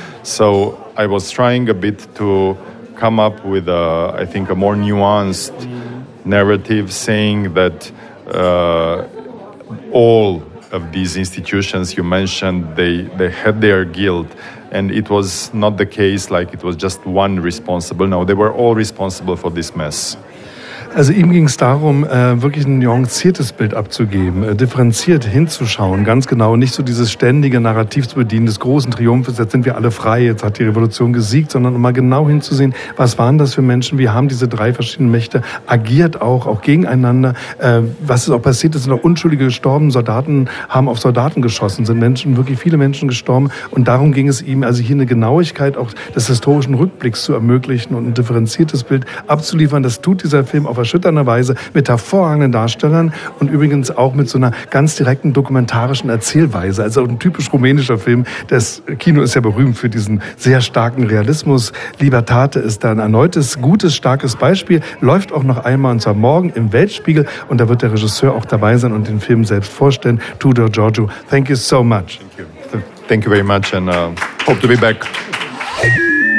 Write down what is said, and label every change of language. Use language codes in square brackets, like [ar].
[en] So I was trying a bit to come up with, I think, a more nuanced narrative saying that all of these institutions you mentioned, they had their guilt. And it was not the case like it was just one responsible. No, they were all responsible for this mess. [de] Also ihm ging es darum, wirklich ein nuanciertes Bild abzugeben, differenziert hinzuschauen, ganz genau, nicht so dieses ständige Narrativ zu bedienen, des großen Triumphes, jetzt sind wir alle frei, jetzt hat die Revolution gesiegt, sondern mal genau hinzusehen, was waren das für Menschen, wie haben diese drei verschiedenen Mächte agiert auch gegeneinander, was ist auch passiert, es sind auch Unschuldige gestorben, Soldaten haben auf Soldaten geschossen, sind Menschen, wirklich viele Menschen gestorben und darum ging es ihm, also hier eine Genauigkeit auch des historischen Rückblicks zu ermöglichen und ein differenziertes Bild abzuliefern, das tut dieser Film auf erschütternder Weise mit hervorragenden Darstellern und übrigens auch mit so einer ganz direkten dokumentarischen Erzählweise. Also ein typisch rumänischer Film. Das Kino ist ja berühmt für diesen sehr starken Realismus. Libertate ist da ein erneutes, gutes, starkes Beispiel. Läuft auch noch einmal und zwar morgen im Weltspiegel. Und da wird der Regisseur auch dabei sein und den Film selbst vorstellen. Tudor Georgiou, [en] thank you so much. Thank you. Thank you very much and hope to be back.